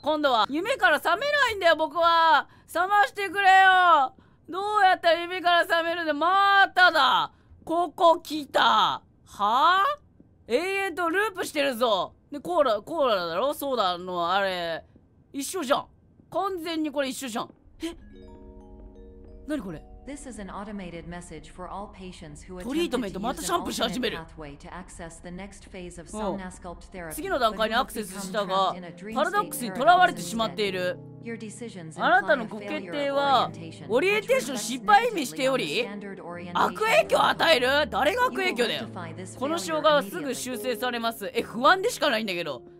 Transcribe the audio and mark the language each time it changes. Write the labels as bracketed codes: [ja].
[ja] 今度は夢から覚めないんだよ僕は。覚ましてくれよ。どうやったら夢から覚めるんだ。まただ。ここ来た。はぁ、永遠とループしてるぞ。で、コーラだろ。そうだのあれ一緒じゃん。完全にこれ一緒じゃん。え、なにこれ。 [en] This is an automated message for all patients who attempt to use an alternate pathway to access the next phase of Somnasculpt therapy. [ja] 次の段階にアクセスしたが、パラドックスに囚われてしまっている。あなたのご決定は、オリエンテーション失敗意味しており、悪影響を与える？誰が悪影響だよ。この障害はすぐ修正されます。え、不安でしかないんだけど。